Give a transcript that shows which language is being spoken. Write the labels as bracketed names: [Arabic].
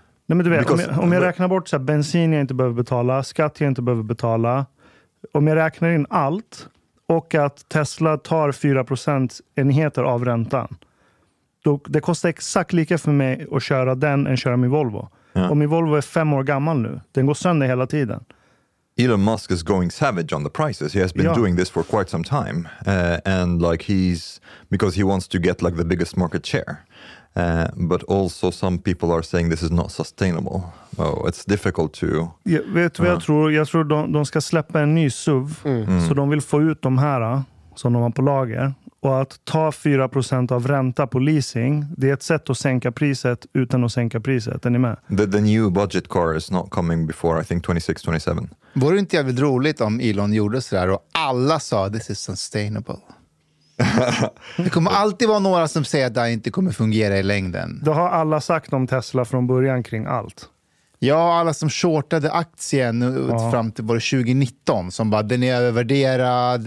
[Swedish] Nej, men du vet, because, om jag räknar bort så här, bensin jag inte behöver betala, skatt jag inte behöver betala, om jag räknar in allt och att Tesla tar 4% enheter av räntan, då det kostar exakt lika för mig att köra den än köra min Volvo. Ja. Och min Volvo är 5 år gammal nu. Den går sönder hela tiden. [English] Elon Musk is going savage on the prices. He has been doing this for quite some time. And like he's, because he wants to get like the biggest market share. But also some people are saying this is not sustainable. Oh, it's difficult to... [Swedish] Ja, vet du vad jag tror? Jag tror de ska släppa en ny SUV. Mm. Så de vill få ut de här som de har på lager. Och att ta 4% av ränta på leasing, det är ett sätt att sänka priset utan att sänka priset. Är ni med? [English] The new budget car is not coming before, I think, 26-27. [Swedish] Vore det inte jävligt roligt om Elon gjorde så där och alla sa [English] this is sustainable? [Swedish] Det kommer alltid vara några som säger att det inte kommer fungera i längden. Det har alla sagt om Tesla från början kring allt. Ja, alla som shortade aktien fram till 2019 som bara, den är övervärderad.